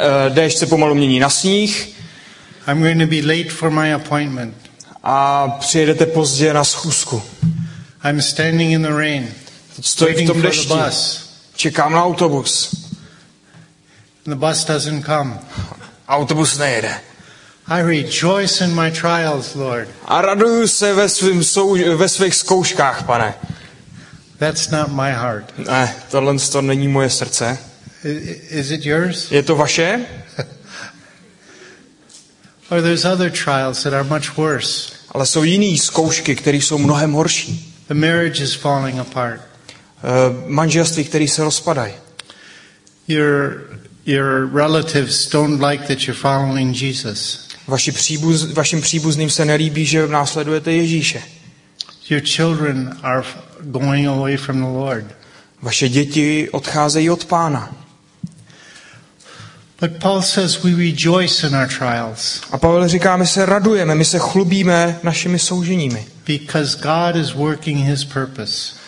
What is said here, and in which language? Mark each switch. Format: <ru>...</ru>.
<cs>Déšť se pomalu mění na sníh.</cs> <en>I'm going to be late for my appointment.</en> <cs>A přijedete pozdě na schůzku.</cs> <en>I'm standing in the rain.</en> <cs>Stojím v tom dešti. Čekám na autobus.</cs> <en>The bus doesn't come.</en> <cs>Autobus nejede.</cs> <en>I rejoice in my trials, Lord.</en> <cs>A raduju se ve svých zkouškách, pane.</cs> <en>That's not my heart.</en> <cs>Ne, tohle to není moje srdce.</cs> <en>Is it yours?</en> <cs>Je to vaše?</cs> <en>Or there's other trials that are much worse.</en> <cs>Ale jsou jiné zkoušky, které jsou mnohem horší.</cs> <en>The marriage is falling apart.</en> <cs>Manželství, které se rozpadají.</cs> <en>Your relatives don't like that you're following Jesus.</en> <cs>Vašim příbuzným se nelíbí, že následujete Ježíše.</cs> <en>Your children are going away from the Lord.</en> <cs>Vaše děti odcházejí od Pána.</cs> <en>But Paul says we rejoice in our trials.</en> <cs>A Pavel říká, my se radujeme, my se chlubíme našimi souženími.</cs> <en>Because God is working his purpose.</en>